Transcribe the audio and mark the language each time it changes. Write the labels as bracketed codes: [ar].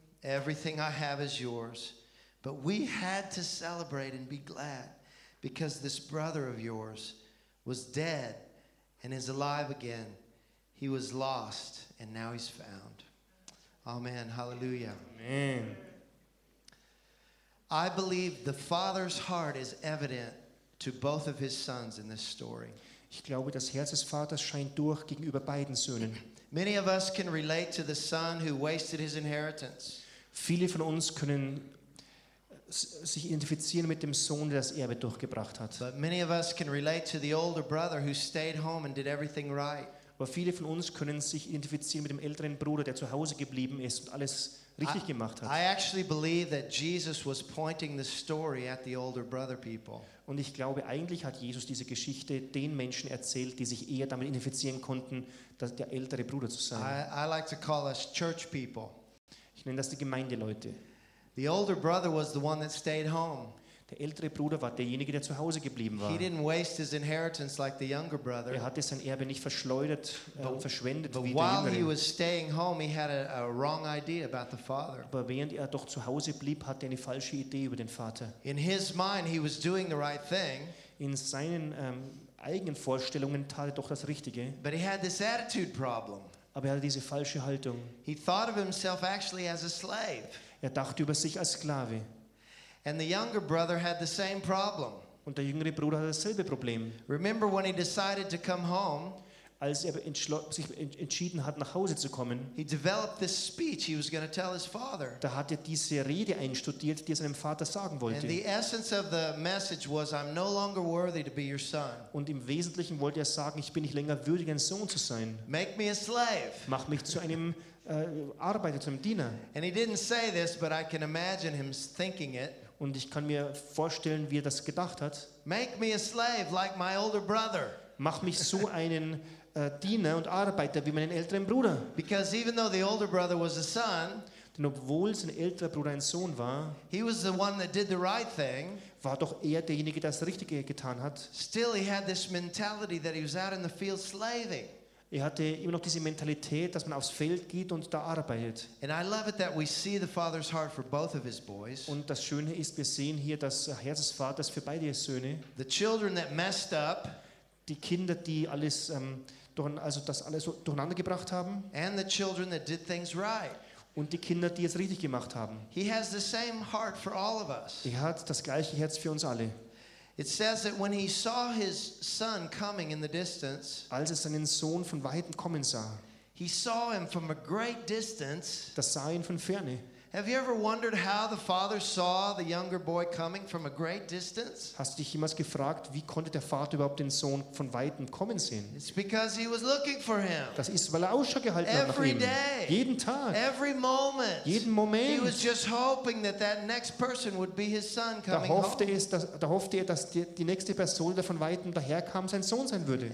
[en] Everything I have is yours. But we had to celebrate and be glad because this brother of yours was dead and is alive again. He was lost and now he's found. Amen. Hallelujah. Amen. I believe the father's heart is evident to both of his sons in this story. [de] Ich glaube, das Herz des Vaters scheint durch gegenüber beiden Söhnen. [en] Many of us can relate to the son who wasted his inheritance. [de] Viele von uns können sich identifizieren mit dem Sohn, der das Erbe durchgebracht hat. [en] But many of us can relate to the older brother who stayed home and did everything right. [de] Aber viele von uns können sich identifizieren mit dem älteren Bruder, der zu Hause geblieben ist und alles richtig gemacht hat. [en] I actually believe that Jesus was pointing the story at the older brother people. [de] Und ich glaube, eigentlich hat Jesus diese Geschichte den Menschen erzählt, die sich eher damit identifizieren konnten, dass der ältere Bruder zu sein. [en] I like to call us church people. [de] Ich nenne das die Gemeindeleute. [en] The older brother was the one that stayed home. [de] Der ältere Bruder war derjenige, der zu Hause geblieben war. [en] He didn't waste his inheritance like the younger brother. [de] Er hatte sein Erbe nicht verschleudert und verschwendet [en] but [de] wie [en] while [de] der jüngere. [en] He was staying home, he had a wrong idea about the father. [de] Aber während er doch zu Hause blieb, hatte er eine falsche Idee über den Vater. [en] In his mind, he was doing the right thing. [de] In seinen eigenen Vorstellungen tat er doch das Richtige. [en] But he had this attitude problem. [de] Aber er hatte diese falsche Haltung. [en] He thought of himself actually as a slave. [de] Er dachte über sich als Sklave. [en] And the younger brother had the same problem. [de] Und der jüngere Bruder hatte dasselbe Problem. [en] Remember when he decided to come home? [de] Als er sich entschieden hat, nach Hause zu kommen. [en] He developed this speech he was going to tell his father. [de] Da hat er diese Rede einstudiert, die er seinem Vater sagen wollte. [en] And the essence of the message was, I'm no longer worthy to be your son. [de] Und im Wesentlichen wollte er sagen, ich bin nicht länger würdig, ein Sohn zu sein. [en] Make me a slave. [de] Mach mich zu einem arbeite zu einem Diener. [en] And he didn't say this, but I can imagine him thinking it. [de] Und ich kann mir vorstellen, wie er das gedacht hat. [en] Make me a slave like my older brother. [de] Mach mich so einen Diener und Arbeiter wie meinen älteren Bruder. [en] Because even though the older brother was a son, [de] denn obwohl sein älterer Bruder ein Sohn war, [en] he was the one that did the right thing. [de] War doch er derjenige, der das Richtige getan hat. [en] Still, he had this mentality that he was out in the field slaving. [de] Er hatte immer noch diese Mentalität, dass man aufs Feld geht und da arbeitet. [en] And I love it that we see the father's heart for both of his boys. [de] Und das Schöne ist, wir sehen hier das Herz des Vaters für beide Söhne. [en] The children that messed up, [de] die Kinder, die alles das alles durcheinander gebracht haben. [en] And the children that did things right. [de] Und die Kinder, die es richtig gemacht haben. [en] He has the same heart for all of us. [de] Er hat das gleiche Herz für uns alle. [en] It says that when he saw his son coming in the distance, [de] als er seinen Sohn von weitem kommen sah, [en] he saw him from a great distance. [de] Das sah ihn von ferne. [en] Have you ever wondered how the father saw the younger boy coming from a great distance? [de] Hast dich jemals gefragt, wie konnte der Vater überhaupt den Sohn von weitem kommen sehen? [en] It's because he was looking for him. [de] Das ist, weil er Ausschau gehalten hat nach ihm. [en] Day, [de] jeden Tag. [en] Every moment. [de] Jeden Moment. [en] He was just hoping that that next person would be his son coming. [de] Da hoffte er, dass die nächste Person, der von weitem daherkam, sein Sohn sein würde.